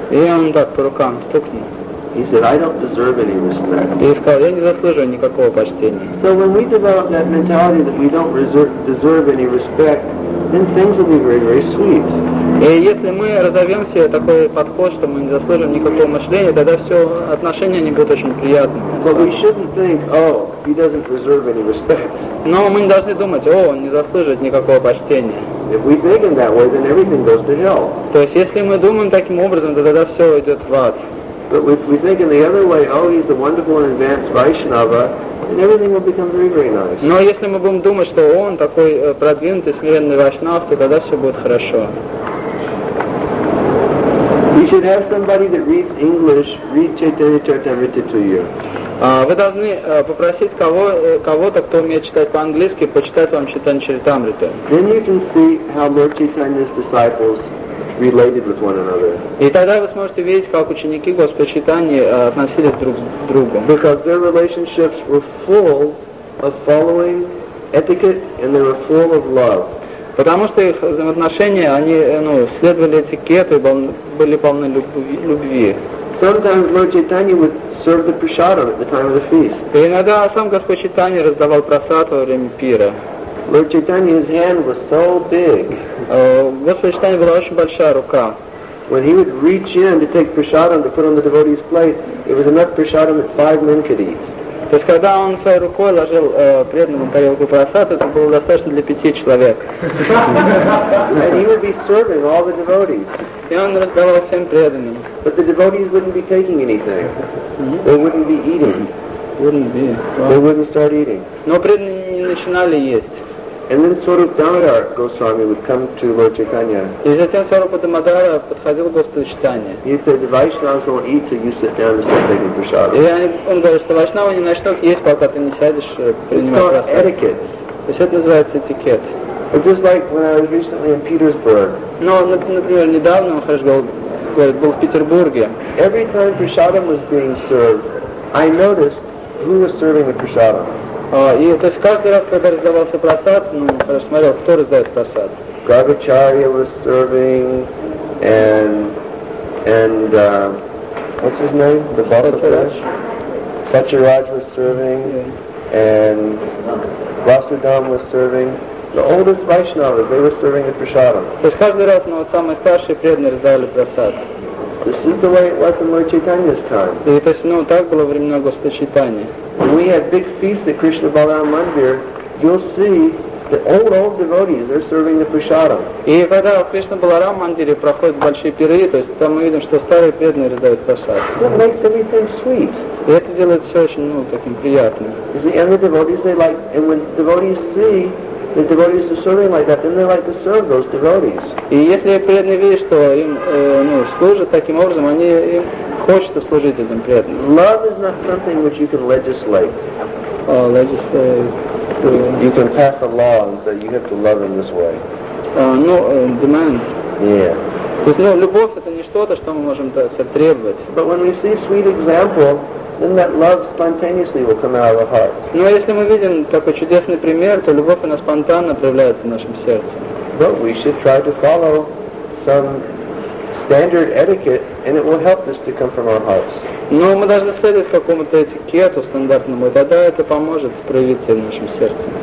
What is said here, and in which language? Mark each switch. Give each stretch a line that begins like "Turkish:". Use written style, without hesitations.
Russian: И он так по рукам стукнул.
English: He said, I don't deserve any respect.
Russian: И сказал, я не заслуживаю никакого почтения.
English: So when we develop that mentality that we don't deserve any respect, then things will be very, very sweet.
Russian: И если мы разовьем себе такой подход, что мы не заслужим никакого мышления, тогда все отношения не будут очень приятны.
English: But we shouldn't think, oh, he doesn't deserve any respect.
Russian: Но мы не должны думать, о, он не заслуживает никакого почтения.
English: If we think in that way, then everything goes to hell.
Russian: То есть если мы думаем таким образом, то тогда все идет в ад.
English: But if we think in the other way, oh, he's a wonderful and advanced Vaishnava, then everything will become very, very nice.
Russian: Но если мы будем думать, что он такой продвинутый, смиренный Вайшнав, то тогда все будет хорошо.
English: You should have somebody that reads English read Chaitanya Charitamrita to you.
Russian: Вы должны попросить кого-то, кто умеет читать по-английски, почитать вам Чайтанья Чаритамриту.
English: Then you can see how Lord Chaitanya's disciples related with one another.
Russian: И тогда вы сможете видеть, как ученики Господа Чайтаньи относились друг к другу.
English: Because their relationships were full of following etiquette and they were full of love.
Russian: Потому что их взаимоотношения, они следовали этикету и были полны любви.
English: Sometimes Lord Chaitanya would serve the prasadam at the time of the feast.
Russian: И иногда сам Господь Чайтанья раздавал прасад во время пира.
English: Lord Chaitanya's hand was so big.
Russian: Господь Чайтанья была очень большая рука.
English: When he would reach in to take prasadam to put on the devotee's plate, it was enough prasadam that five men could eat.
Russian: То есть, когда он своей рукой ложил преданному тарелку просад, это было достаточно для пяти человек.
English: And he would be serving all the devotees.
Russian: И он раздавал всем преданным.
English: But the devotees wouldn't be taking anything. Mm-hmm. They wouldn't be eating. Wouldn't be. Well, they wouldn't start eating.
Russian: Но преданные не начинали есть.
English: And then Swarupa Damodara Goswami would come to Lord Chaitanya.
Russian: И затем Swarupa Damodara подходил к Господу Чайтанье.
English: He said, the Vaishnavas won't eat till you sit down and start taking prasadam.
Russian: И он говорит, что Вайшнава не начнут есть, пока ты не сядешь принимать
English: прасад. It's called etiquette.
Russian: То есть это называется этикет.
English: It's just like when I was recently in Petersburg.
Russian: Но, например, недавно он хорошо говорит, был в Петербурге.
English: Every time prasadam was being served, I noticed who was serving the prasadam.
Russian: И то есть каждый раз, когда раздавался просад, ну, хорошо смотрел, кто раздает просад.
English: Gargacharya was serving, and what's his name? The Balakash. Sacharaj was serving, yeah. And Vasudam was serving. The oldest Vaishnavas, they were serving the prasadam.
Russian: То есть каждый раз, ну, вот самые старшие преданные раздавали просад.
English: This is the way it was in Lord Chaitanya's time.
Russian: И то есть, ну, так было времена Господа Чайтаньи.
English: When we have big feasts at Krishna Balaram Mandir, you'll see the old devotees, they're serving the prasadam.
Russian: И когда в Кришна Баларам Мандире проходят большие пиры, то есть там мы видим, что старые преданные раздают прасад.
English: That makes everything sweet.
Russian: И это делает все очень, ну, таким приятным.
English: And the devotees, they like, and when devotees see the devotees are serving like that, then they like to serve those devotees.
Russian: И если преданные видят, что им служат таким образом, они им хочется служить этим преданным.
English: Love is not something which you can legislate. Legislate. You can pass a law and say you have to love in this way. Demand. Yeah.
Russian: То есть, любовь это не что-то, что мы можем требовать.
English: But when we see sweet example, then that love spontaneously will come out of our heart.
Russian: Но если мы видим такой чудесный пример, то любовь она спонтанно проявляется в нашем сердце.
English: But we should try to follow some standard etiquette, and it will help this to come from our hearts.
Russian: Но мы должны следовать какому-то этикету стандартному, и тогда это поможет проявиться в нашем сердце.